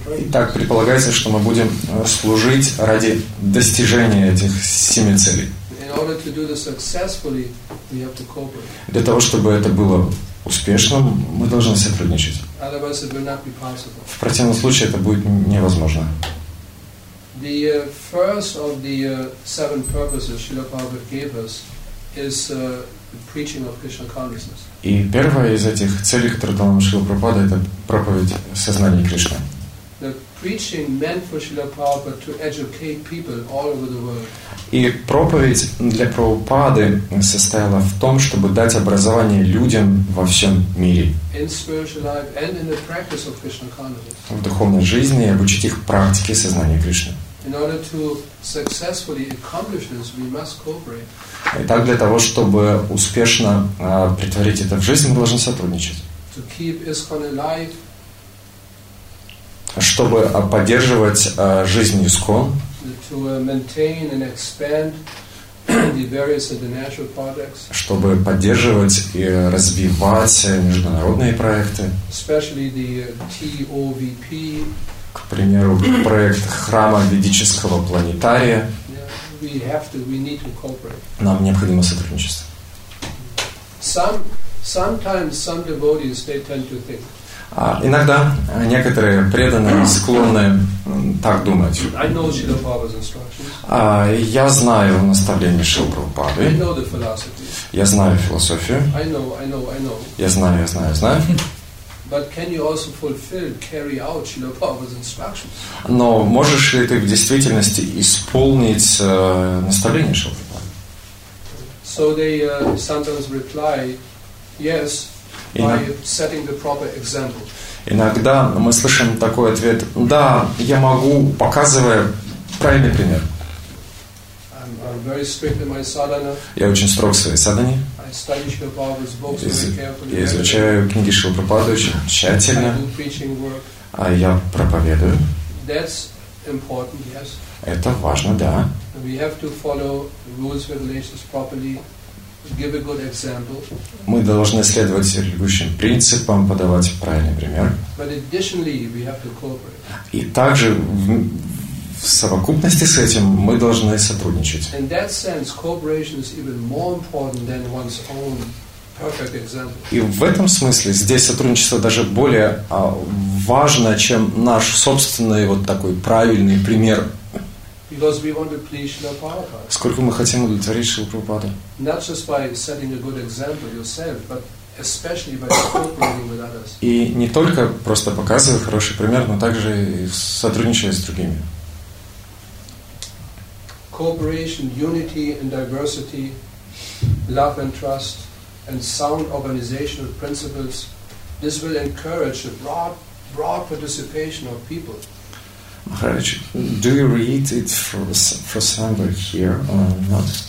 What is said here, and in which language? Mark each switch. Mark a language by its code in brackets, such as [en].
[ru] Итак, предполагается, что мы будем служить ради достижения этих семи целей. [en] In order to do this successfully, we have to cooperate. [ru] Для того, чтобы это было успешным, мы должны сотрудничать. [en] Otherwise, it will not be possible. [ru] В противном случае это будет невозможно. [en] The first of the seven purposes Srila Prabhupada gave us is the preaching of Krishna consciousness. [ru] И первая из этих целей, которые дал нам Шрила Прабхупада, это проповедь сознания Кришны. [en] the preaching meant for Srila Prabhupada to educate people all over the world. [ru] И проповедь для Прабхупады состояла в том, чтобы дать образование людям во всем мире. [en] In spiritual life and in the practice of Krishna consciousness. [ru] В духовной жизни и обучить их практике сознания Кришны. [en] In order to successfully accomplish this, we must cooperate. [ru] Итак, для того, чтобы успешно претворить это в жизнь, мы должны сотрудничать. [en] To keep ISKCON alive. [ru] Чтобы поддерживать жизнь ИСКОН. [en] To maintain and expand the various international projects. [ru] Чтобы поддерживать и развивать международные проекты. [en] Especially the TOVP. [ru] К примеру, проект храма ведического планетария. [en] Yeah, we have to, we need to cooperate. [ru] Нам необходимо сотрудничество. [en] Sometimes some devotees they tend to think. [ru] Иногда некоторые преданные склонны так думать. [en] I know Srila Prabhupada's instructions. [ru] Я знаю наставления Шрилы Прабхупады. [en] I know the philosophy. [ru] Я знаю философию. [en] I know. [ru] Я знаю. [en] But can you also fulfill, carry out Srila Prabhupada's instructions? [ru] Но можешь ли ты в действительности исполнить наставления Шрилы Прабхупады? [en] So they sometimes reply, yes. By setting the proper example. [ru] Иногда мы слышим такой ответ: да, я могу, показывая правильный пример. [en] I'm very strict in my sadhana. [ru] Я очень строг в своей садхане. [en] I study Srila Prabhupada's books very carefully. [ru] Я изучаю книги Шрилы Прабхупады очень тщательно. [en] I do preaching work. [ru] А я проповедую. [en] That's important, yes. [ru] Это важно, да. [en] We have to follow rules and regulations properly. Give a good example. [ru] Мы должны следовать регулирующим принципам, подавать правильный пример. [en] But additionally, we have to cooperate. [ru] И также в совокупности с этим мы должны сотрудничать. [en] In that sense, cooperation is even more important than one's own perfect example. [ru] И в этом смысле здесь сотрудничество даже более важно, чем наш собственный вот такой правильный пример. [en] Because we want to please Srila Prabhupada. [ru] Сколько мы хотим удовлетворить Шрилу Прабхупаду? [en] Not just by setting a good example yourself, but especially by cooperating with others. [ru] И не только просто показывая хороший пример, но также и сотрудничая с другими. [en] Cooperation, unity and diversity, love and trust, and sound organizational principles. This will encourage the broad participation of people. Maharaj, do you read it for somewhere here or not?